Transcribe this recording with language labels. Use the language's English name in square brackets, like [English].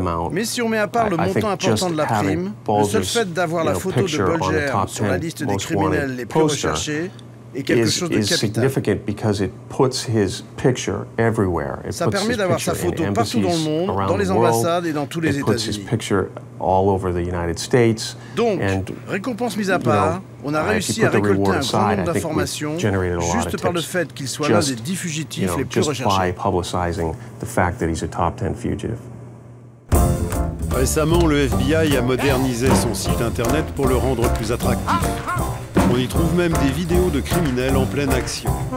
[French] Mais si on met à part le montant important de la prime, le seul fait d'avoir la photo de Bulger sur la liste des criminels les plus recherchés [English] is significant because it puts his picture everywhere. It [French] ça permet d'avoir sa photo partout dans le monde, dans les ambassades et dans tous les États-Unis. [English] It puts his picture all over the United States. [French] Donc, and, récompense mise à part, on a réussi à récolter un grand nombre d'informations juste par le fait qu'il soit l'un des 10 fugitifs les plus recherchés. [English] Just by publicizing the fact that he's a top 10 fugitive. [French] Récemment, le FBI a modernisé son site internet pour le rendre plus attractif. On y trouve même des vidéos de criminels en pleine action.